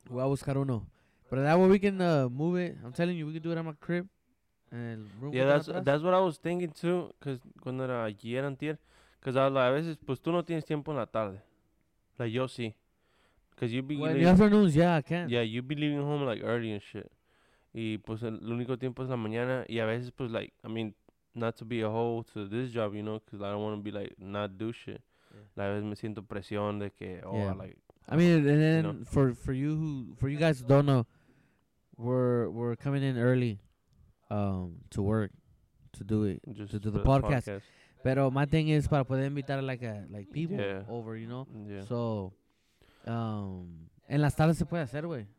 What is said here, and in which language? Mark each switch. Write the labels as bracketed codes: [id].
[es] Voy a buscar uno. [en] But that way we can move it. I'm telling you, we can do it at my crib. Room, yeah, that's what I was thinking too. Because [es] cuando era ayer, antier. Because a veces, pues tú no tienes tiempo en la tarde. Like, yo sí. [en] Because you'd be leaving. Well, in the afternoons, yeah, I can. Yeah, you'd be leaving home like early and shit. [es] Y pues el único tiempo es la mañana. Y a veces, pues [en] like, I mean, not to be a hoe to this job, you know. Because I don't want to be like, not do shit. [es] La vez me siento presión de que, [en] oh, yeah. like, I mean, and then for you guys who don't know, we're coming in early, to work, to do it, just to do the podcast. Pero my thing is [es] para poder invitar [en] like people over, you know. Yeah. [es] So, en las tardes se puede hacer, güey.